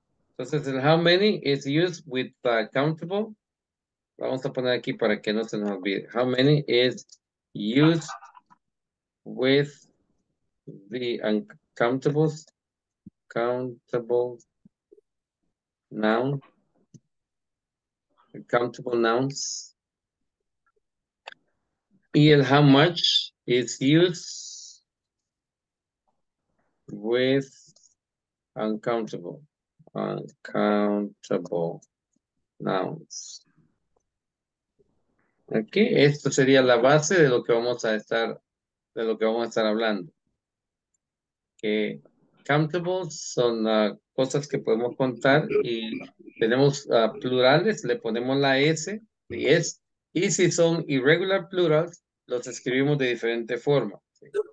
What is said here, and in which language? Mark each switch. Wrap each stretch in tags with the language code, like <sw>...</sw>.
<es>Entonces, el</es> <en>how many is used with the countable.</en> <es>Vamos a poner aquí para que no se nos olvide.</es> <en>How many is used with the uncountables, countable noun, countable nouns.</en> <es>Y el</es> <en>how much is used with uncountable nouns.</en> <es>Aquí, okay. Esto sería la base de lo que vamos a estar, de lo que vamos a estar hablando. Que countables son cosas que podemos contar y tenemos plurales, le ponemos la S, yes, y si son</es> <en>irregular plurals,</en> <es>los escribimos de diferente forma. ¿Sí?</es>